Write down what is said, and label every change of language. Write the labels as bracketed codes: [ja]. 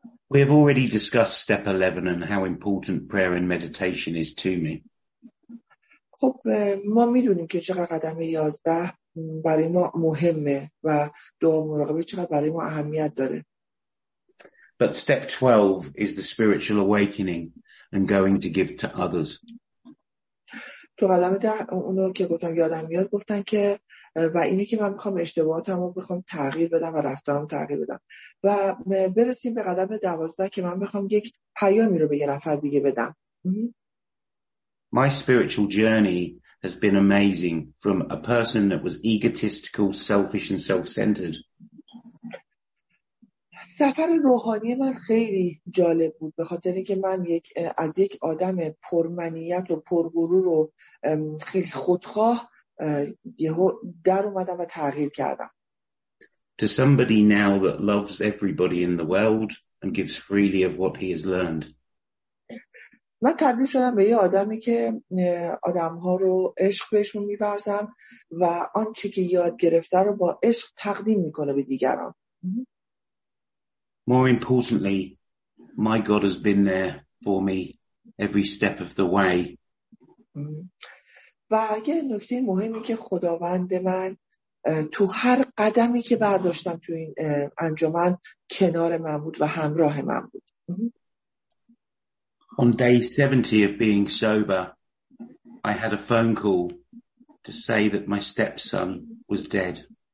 [en] We have already discussed step 11 and how important prayer and meditation is to me. [fa] خب ما میدونیم که چقدر قدم 11 برای ما مهمه و دعا مراقبه چقدر برای ما اهمیت داره. [en] But step 12 is the spiritual awakening and going to give to others. [fa] تو قدم 10 اونو که گفتم یادم میاد گفتن که و اینی که من میخوام اشتباهاتمو بخوام تغییر بدم و رفتارم تغییر بدم و برسیم به قدم 12 که من میخوام یک پیامی رو به یه نفر دیگه بدم. [en] My spiritual journey has been amazing from a person that was egotistical, selfish and self-centered. [fa] سفر روحانی من خیلی جالب بود به خاطر اینکه من از یک آدم پرمنیت و پرغرور و خیلی خودخواه یهو در اومدم و تغییر کردم. [en] To somebody now that loves everybody in the world and gives freely of what he has learned. [fa] من تبدیل شدم به یه آدمی که آدمها رو عشق بهشون می‌ورزم و آنچه که یاد گرفته رو با عشق تقدیم می‌کنه به دیگران. [en] More importantly, my God has been there for me every step of the way. [fa] و یه نکته مهمی که خداوند من تو هر قدمی که برداشتم تو این انجمن کنار من بود و همراه من بود. [en] On day 70 of being sober, I had a phone call to say that my stepson was dead.